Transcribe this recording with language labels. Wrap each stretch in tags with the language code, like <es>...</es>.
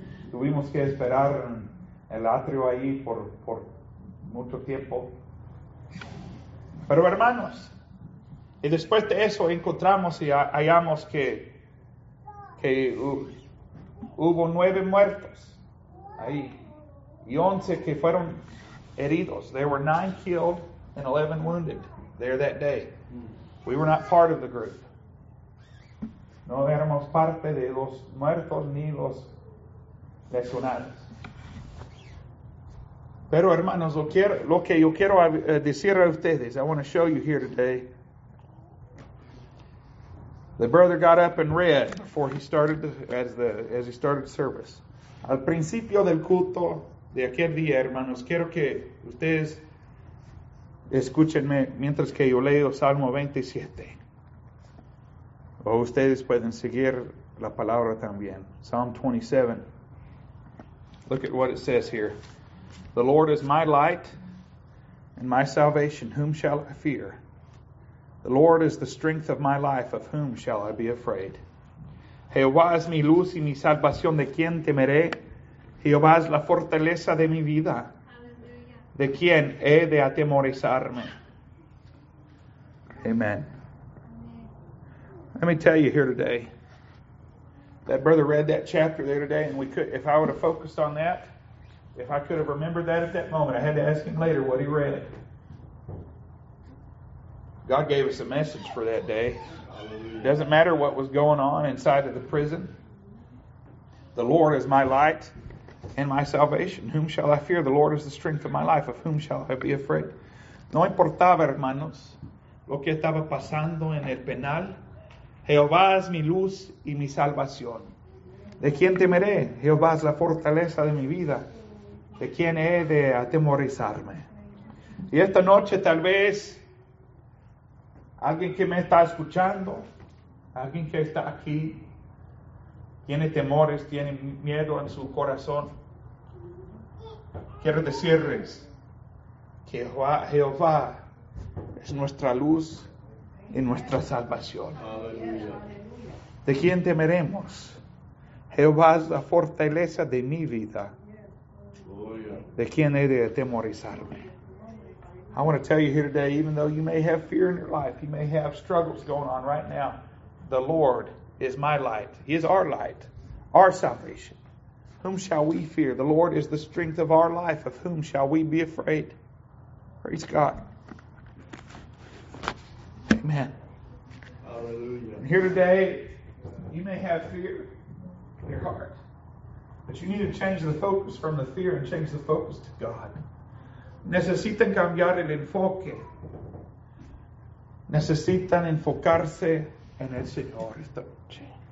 <es>Tuvimos que esperar en el atrio ahí por mucho tiempo. Pero hermanos, y después de eso encontramos y hallamos que hubo 9 muertos ahí y 11 que fueron heridos.</es> <en>There were 9 killed and 11 wounded there that day. We were not part of the group.</en> <es>No éramos parte de los muertos ni los lesionados. Pero hermanos, lo que yo quiero decir a ustedes,</es> <en>I want to show you here today. The brother got up and read before he started as he started service.</en> <es>Al principio del culto de aquel día, hermanos, quiero que ustedes escúchenme mientras que yo leo Salmo 27. O ustedes pueden seguir la palabra también.</es> <en>Psalm 27. Look at what it says here. The Lord is my light and my salvation. Whom shall I fear? The Lord is the strength of my life. Of whom shall I be afraid?</en> <es>Jehová es mi luz y mi salvación. ¿De quién temeré? Jehová es la fortaleza de mi vida. ¿De quién he de atemorizarme?</es> <en>Amen. Let me tell you here today. That brother read that chapter there today. And we could, if I would have focused on that. If I could have remembered that at that moment. I had to ask him later what he read. God gave us a message for that day. It doesn't matter what was going on inside of the prison. The Lord is my light and my salvation. Whom shall I fear? The Lord is the strength of my life. Of whom shall I be afraid?</en> <es>No importaba, hermanos, lo que estaba pasando en el penal. Jehová es mi luz y mi salvación. ¿De quién temeré? Jehová es la fortaleza de mi vida. ¿De quién he de atemorizarme? Y esta noche tal vez alguien que me está escuchando, alguien que está aquí, tiene temores, tiene miedo en su corazón. Quiero decirles que Jehová es nuestra luz y nuestra salvación. Aleluya. ¿De quién temeremos? Jehová es la fortaleza de mi vida. Aleluya. ¿De quién he de atemorizarme?</es> <en>I want to tell you here today, even though you may have fear in your life, you may have struggles going on right now, the Lord is my light. He is our light, our salvation. Whom shall we fear? The Lord is the strength of our life. Of whom shall we be afraid? Praise God. Amen. Hallelujah. And here today, you may have fear in your heart, but you need to change the focus from the fear and change the focus to God.</en> <es>Necesitan cambiar el enfoque. Necesitan enfocarse en el Señor esta noche.</es>